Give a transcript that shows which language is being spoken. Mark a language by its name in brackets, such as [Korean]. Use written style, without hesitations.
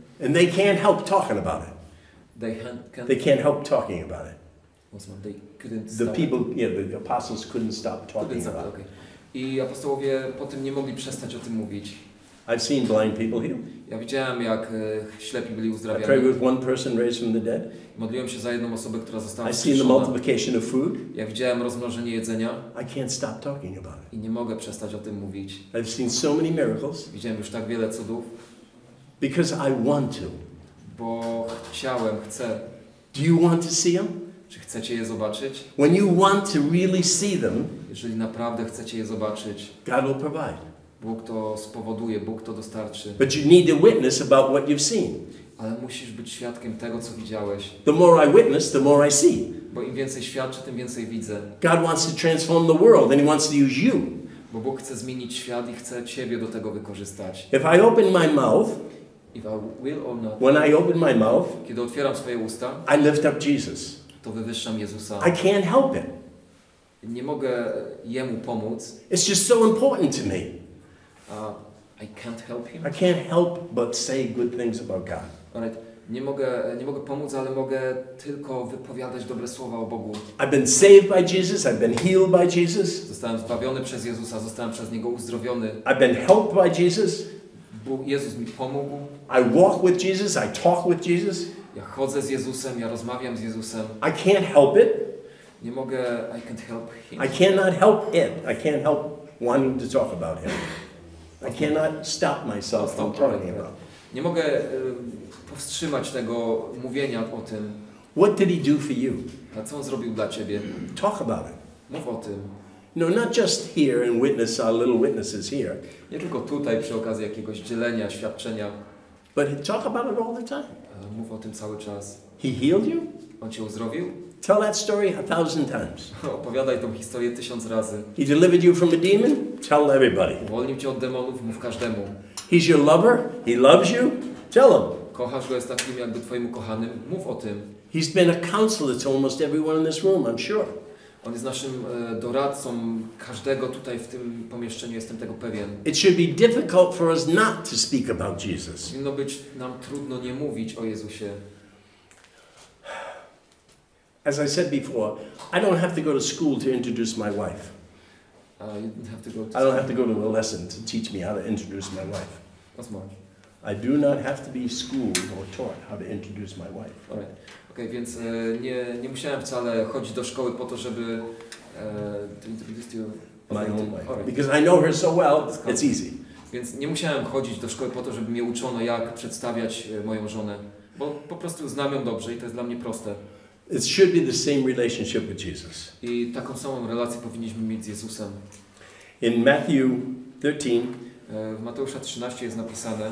[English] And they can't help talking about it. They can't help talking about it. They couldn't stop. The people, the apostles couldn't stop talking about it. Okay. [Polish] I apostołowie po tym nie mogli przestać o tym mówić. [English] I've seen blind people healed. [Polish] Ja widziałem, jak ślepi byli uzdrawiani. [English] I prayed with one person raised from the dead. [Polish] Modliłem się za jedną osobę, która została wskrzeszona. [English] I seen the multiplication of food. [Polish] Ja widziałem rozmnożenie jedzenia. [English] I can't stop talking about it. [Polish] I nie mogę przestać o tym mówić. [English] I've seen so many miracles. [Polish] Widziałem już tak wiele cudów. [English] Because I want to. [Polish] Bo chciałem, chcę. [English] Do you want to see them? [Polish] Czy chcecie je zobaczyć? [English] When you want to really see them, [Polish] jeżeli naprawdę chcecie je zobaczyć, [English] God will provide. [Polish] Bóg to spowoduje, Bóg to dostarczy. [English] But you need a witness about what you've seen. [Polish] Ale musisz być świadkiem tego, co widziałeś. [English] The more I witness, the more I see. [Polish] Bo im więcej świadczę, tym więcej widzę. [English] God wants to transform the world and he wants to use you. [Polish] Bo Bóg chce zmienić świat i chce ciebie do tego wykorzystać. [English] If I open my mouth, if I will or not, when I open my mouth, [Polish] kiedy otwieram swoje usta, [English] I lift up Jesus. [Polish] To wywyższam Jezusa. [English] I can't help it. [Polish] Nie mogę jemu pomóc. [English] It's just so important to me. I can't help him. I can't help but say good things about God. Alright. [Polish] Nie mogę pomóc, ale mogę tylko wypowiadać dobre słowa o Bogu. [English] I've been saved by Jesus. I've been healed by Jesus. [Polish] Zostałem zbawiony przez Jezusa. Zostałem przez Niego uzdrowiony. [English] I've been helped by Jesus. [Polish] Jezus mi pomógł. [English] I walk with Jesus. I talk with Jesus. [Polish] Ja chodzę z Jezusem. Ja rozmawiam z Jezusem. [English] I can't help it. [Polish] Nie mogę. [English] I can't help him. I cannot help it. I can't help wanting to talk about him. I cannot stop myself from talking about. [Polish] Nie mogę powstrzymać tego mówienia o tym. [English] What did he do for you? [Polish] A co on zrobił dla ciebie? [English] Talk about it. [Polish] Mów o tym. [English] No, not just here and witness our little witnesses here. [Polish] Nie tylko tutaj przy okazji jakiegoś dzielenia, świadczenia. [English] But talk about it all the time. [Polish] Mów o tym cały czas. [English] He healed you? [Polish] On cię uzdrowił? [English] Tell that story 1,000 times. [Polish] Opowiadaj tą historię 1,000 razy. [English] He delivered you from a demon? Tell everybody. [Polish] Uwolnił cię od demonów? Mów każdemu. [English] He's your lover? He loves you? Tell him. [Polish] Kochasz go, jest takim jakby twoim ukochanym? Mów o tym. [English] He's been a counselor to almost everyone in this room, I'm sure. [Polish] On jest naszym doradcą każdego tutaj w tym pomieszczeniu, jestem tego pewien. [English] It should be difficult for us not to speak about Jesus. [Polish] Powinno być nam trudno nie mówić o Jezusie. [English] As I said before, I don't have to go to school to introduce my wife. I don't have to go to a lesson to teach me how to introduce my wife. What's more? I do not have to be schooled or taught how to introduce my wife. Alright. [Polish] Okay, więc nie musiałem wcale chodzić do szkoły po to, żeby to [English] introduce you. My own wife. Alright. Because I know her so well, it's easy. [Polish] Więc nie musiałem chodzić do szkoły po to, żeby mnie uczono, jak przedstawiać moją żonę. Bo po prostu znam ją dobrze i to jest dla mnie proste. [English] It should be the same relationship with Jesus. [Polish] I taką samą relację powinniśmy mieć z Jezusem. [English] In Matthew 13, [Polish] w Mateusza 13 jest napisane